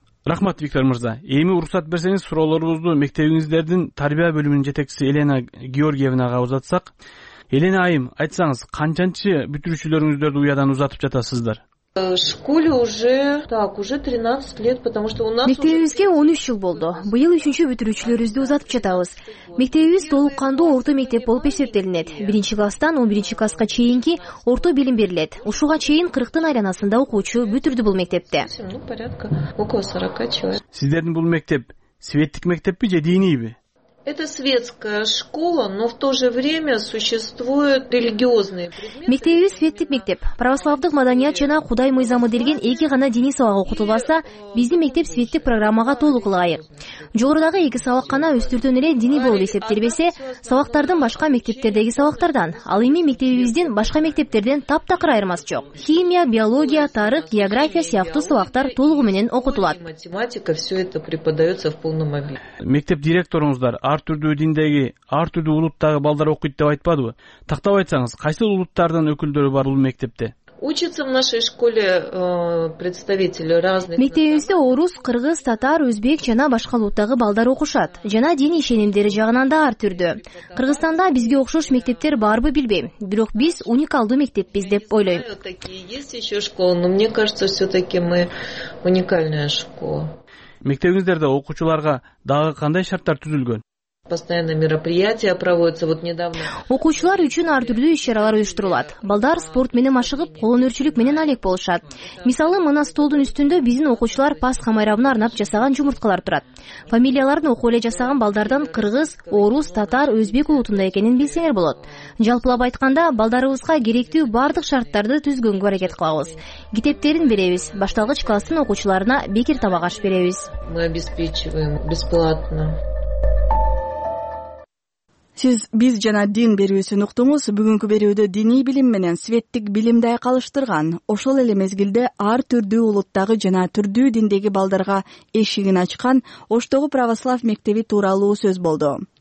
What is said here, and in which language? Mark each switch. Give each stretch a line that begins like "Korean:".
Kyrgyz: Рахмат, Виктор Мырза. Эми уруксат берсеңиз, суроолорубузду мектебиңиздердин тарбия бөлүмүнүн жетекчиси Елена Георгиевнага узатсак. Елена айым, айтсаңыз, канчанчы бүтүрүүчүлөрүңүздөрдү уядан узатып жатасыздар? Мектебибизге 13 жыл болду. Быйыл 3-чү бүтүрүүчүлөрүбүздү узатып жатабыз. Мектебибиз толук кандуу орто мектеп болуп эсептелинет. 1-чи класстан 11-чи класска чейинки орто билим берилет. Ушуга чейин 40 айланасында окуучу бүтүрдү бул мектепти. Сиздердин бул мектеп светтик мектеппи же динийби?
Russian: Это светская школа, но в то же время существуют религиозные предметы.
Kyrgyz: Мектеби светтик мектеп. Православдык маданият жана Кудай мыйзамы деген эки гана диний сабак окутулбаса, биздин мектеп светтик программага толук ылайык. Жогорудагы эки сабак гана үстүртөн эле диний болуп эсептелбесе, сабактардын башка мектептердеги сабактардан, ал эми мектебибиздин башка мектептерден таптакыр айырмасы жок. Химия, биология, тарых, география сыяктуу сабактар толугу менен окутулат.
Russian: Математика, все это преподается в полном объеме.
Kyrgyz: Мектеп директоруңуздар ар түрдүү диндеги, ар түрдүү улуттагы балдар окуйт деп айтпадыбы? Тактап айтсаңыз, кайсы улуттардын өкүлдөрү бар бул мектепте?
Russian: Учатся в нашей школе представители разных.
Kyrgyz: Мектебибизде орус, кыргыз, татар, өзбек жана башка улуттагы балдар окушат. Жана дин ишенимдери жагынан да ар түрдүү. Кыргызстанда бизге окшош мектептер барбы билбейм, бирок биз уникалдуу мектеппиз деп ойлойм.
Russian: Есть еще школа, но мне кажется, все-таки мы уникальная школа.
Kyrgyz: Мектебиңиздерде окуучуларга дагы кандай шарттар түзүлгөн?
Russian: Постоянные мероприятия проводятся. Вот недавно
Kyrgyz: окуучулар үчүн ар түрдүү иш-чаралар уюштурулат. Балдар спорт менен машыгып, кол өнөрчүлүк менен алек болушат. Мисалы, мына столдун үстүндө биздин окуучулар Пасха майрамына арнап жасаган жумурткалар турат. Фамилияларын окуп эле жасаган балдардан кыргыз, орус, татар, өзбек улутунда экенин билсеңер болот. Жалпылап айтканда, балдарыбызга керектүү бардык шарттарды түзгөнгө аракет кылабыз. Китептерин беребиз, башталгыч класстын окуучуларына бекир тамак аш беребиз.
Russian: Мы обеспечиваем бесплатно.
Kyrgyz: Сиз биз жана дин берүүсүн уктуңуз. Бүгүнкү берүүдө диний билим менен светтик билимди айкалыштырган, ошол эле мезгилде ар түрдүү улуттагы жана түрдүү диндеги балдарга эшигин ачкан Оштогу православ мектеби тууралуу сөз болду.